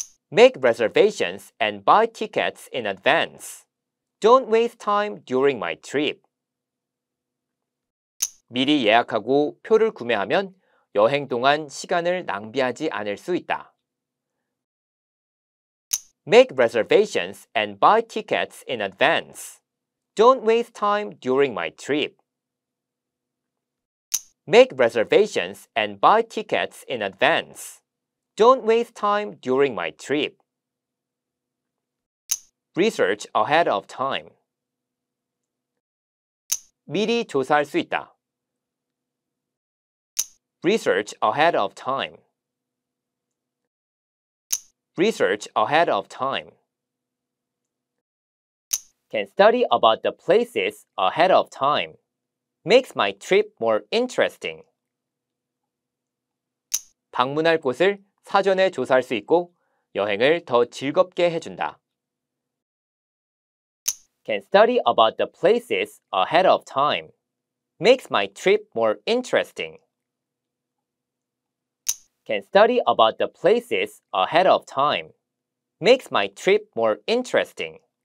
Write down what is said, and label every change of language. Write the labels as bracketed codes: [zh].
[en] Make reservations and buy tickets in advance. Don't waste time during my trip. [ko] 미리 예약하고 표를 구매하면 여행 동안 시간을 낭비하지 않을 수 있다. [en] Make reservations and buy tickets in advance. Don't waste time during my trip. Make reservations and buy tickets in advance. Don't waste time during my trip. Research ahead of time. [ko] 미리 조사할 수 있다. [en] Research ahead of time. Research ahead of time. Can study about the places ahead of time. Makes my trip more interesting. [ko] 방문할 곳을 사전에 조사할 수 있고 여행을 더 즐겁게 해준다. [en] Can study about the places ahead of time. Makes my trip more interesting. Can study about the places ahead of time. Makes my trip more interesting.